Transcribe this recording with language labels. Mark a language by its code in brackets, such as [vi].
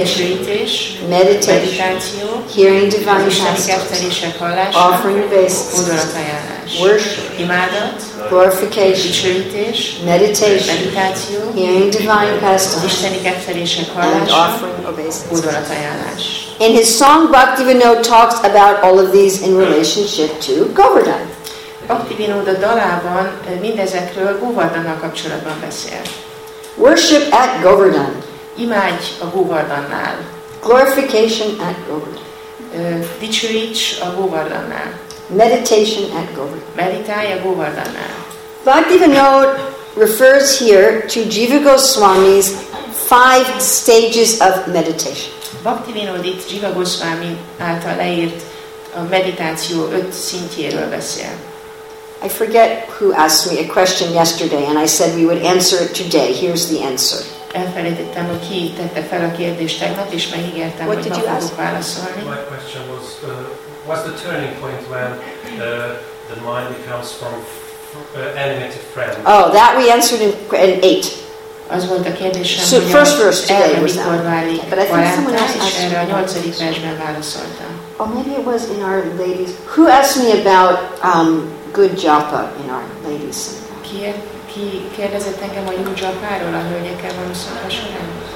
[hu] dicsőítés, [en] meditation, hearing divine pastimes, [hu] isteni kertelések hallása, [en] offering obeisances, [hu] hódolatajánlás, [en] worship, [hu] imádat, [en] glorification, [hu] dicsőítés, [en] meditation, hearing divine pastimes, [hu] isteni kertelések hallása, [en] offering obeisances, [hu] hódolatajánlás. [en] In his song, Bhaktivinoda talks about all of these in relationship to Govardhan. [hu] Bhaktivinoda dalában mindezekről Govardhannal kapcsolatban beszél. [en] Worship at Govardhan. [hu] Imádj a Govardhannál. [en] Glorification at Govardhan. [hu] Dicsőíts a Govardhannál. [en] Meditation at Govardhan. [hu] Meditálj a Govardhannál. [en] Bhaktivinoda refers here to Jiva Goswami's five stages of meditation. [hu] Bhaktivinoda itt Jiva Goswami által leírt a meditáció öt szintjéről beszél. [en] I forget who asked me a question yesterday, and I said we would answer it today. Here's the answer. [hu] Elfelejtettem, hogy ki tette fel a kérdést tegnap, és megígértem, hogy meg fogok válaszolni. [en] My question was, what's the turning point when the mind becomes from animated friend? Oh, that we answered in eight. [hu] Az volt a kérdésem, [en] so, [hu] hogy [en] first verse today was that. But I think someone else asked me. Oh, maybe it was in our ladies. Who asked me about good japa in our ladies? [hu] Ki kérdezett engem a jó japáról a hölgyekkel való szakasorán?